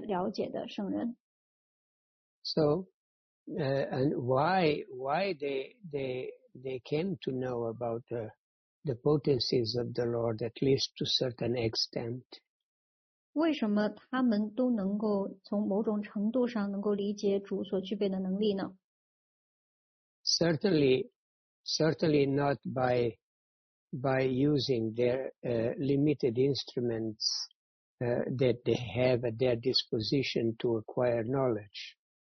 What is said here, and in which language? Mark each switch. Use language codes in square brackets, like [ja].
[zh] 有些人呢是在很久远前的人，有些人呢是在不是那么久远的人，但是他们呢全部都是对于主，有一些了解的圣人。So, [en] and why they came to know about the potencies of the Lord at least to certain extent? [zh] 为什么他们都能够从某种程度上能够理解主所具备的能力呢？ [en] Certainly not by using their limited instruments that they have at their disposition to acquire knowledge.